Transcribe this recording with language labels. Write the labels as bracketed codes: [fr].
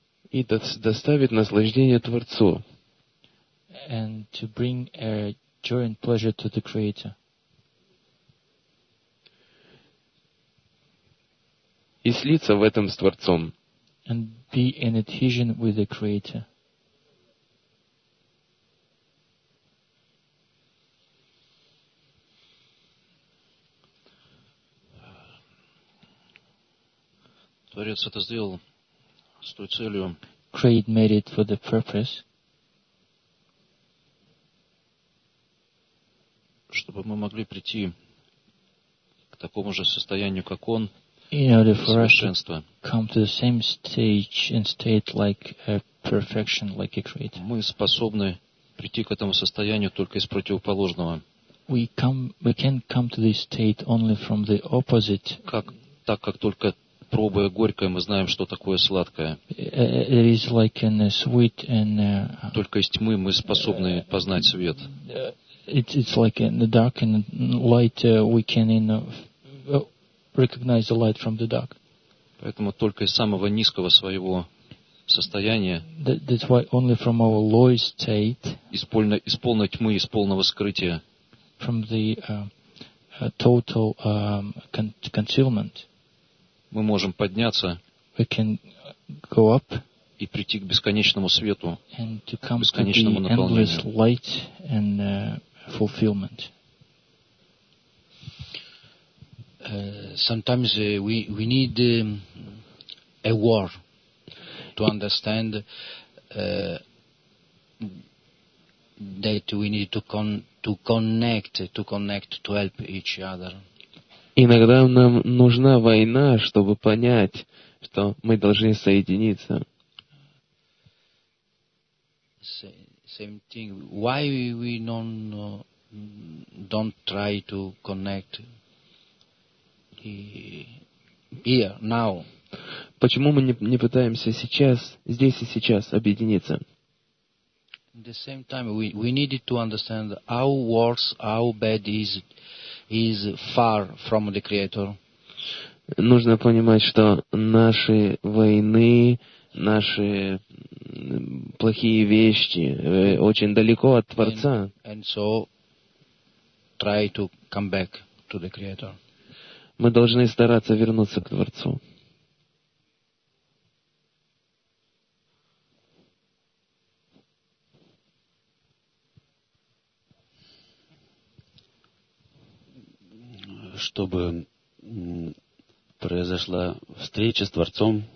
[ru] И доставить наслаждение Творцу. [en] And to bring a joy and pleasure to the Creator. [ru] И слиться в этом с Творцом. [en] And be in adhesion with the Creator. [ru] Творец это сделал с той целью. [en] Create made it for the purpose. [ru] Чтобы мы могли прийти к такому же состоянию, как он. [en] In order for us to come to the same stage and state like a perfection, like a creator. [ru] Мы способны прийти к этому состоянию только из противоположного. [en] We can come to this state only from the opposite. [ru] Как, так как только пробуя горькое, мы знаем, что такое сладкое. [en] It is like in a sweet and [ru] только из тьмы мы способны познать свет. [en] It's like in the dark and light we can recognize the light from the dark. [ru] Поэтому только из самого низкого своего состояния. [en] That's why only from our lowest state. [ru] Из полной тьмы, из полного скрытия. [en] From the total concealment. [ru] Мы можем подняться [en] we can go up [ru] и прийти к бесконечному свету, [en] and to come [ru] к бесконечному [en] to the [ru] наполнению. [en] Endless light and fulfillment. Sometimes we need a war to understand that we need to connect to help each other. [ru] Иногда нам нужна война, чтобы понять, что мы должны соединиться. [en] Same thing. Why we don't try to connect here now? [ru] Почему мы не пытаемся сейчас, здесь и сейчас объединиться? [en] At the same time, we needed to understand how worse, how bad is far from the Creator. [ru] Нужно понимать, что наши войны, наши плохие вещи очень далеко от Творца. [en] And so try to come back to the Creator. [ru] Мы должны стараться вернуться к Творцу. чтобы произошла встреча с Творцом,